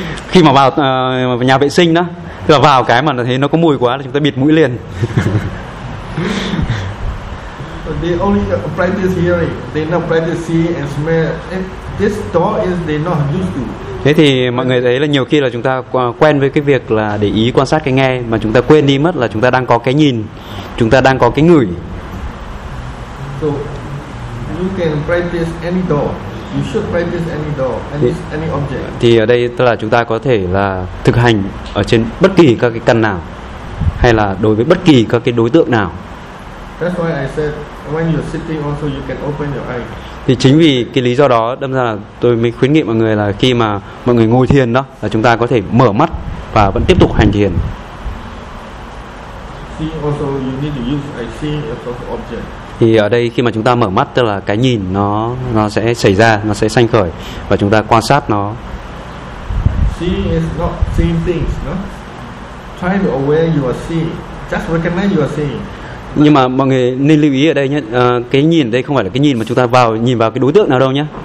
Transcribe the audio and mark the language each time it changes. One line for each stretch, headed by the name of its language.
Vietnamese: Khi mà vào nhà vệ sinh đó, tức là vào mà thấy nó có mùi quá là chúng ta bịt mũi liền.
English: They only practice hearing, they not practice see and smell. This door is they not used to.
Vietnamese: Thế thì mọi người thấy là nhiều khi là chúng ta quen với việc là để ý quan sát nghe, mà chúng ta quên đi mất là chúng ta đang có nhìn, chúng ta đang có ngửi.
English: So you can practice any door. You should practice any door, any object.
Vietnamese: Thì ở đây tức là chúng ta có thể là thực hành ở trên bất kỳ các căn nào, hay là đối với bất kỳ các đối tượng nào.
English: That's why I said when you're sitting also you can open your eyes.
Vietnamese: Thì chính vì lý do đó đâm ra là tôi mới khuyến nghị mọi người là khi mà mọi người ngồi thiền đó là chúng ta có thể mở mắt và vẫn tiếp tục hành thiền.
English: Also you need to use a seeing as an object.
Vietnamese: Thì ở đây khi mà chúng ta mở mắt tức là nhìn nó sẽ xảy ra, nó sẽ sanh khởi và chúng ta quan sát nó.
English: Seeing is not seeing things, no? Try to aware you are seeing. Just recognize you are seeing.
Vietnamese: Nhưng mà mọi người nên lưu ý ở đây nhé, nhìn ở đây không phải là nhìn mà chúng ta nhìn vào đối tượng nào đâu nhé.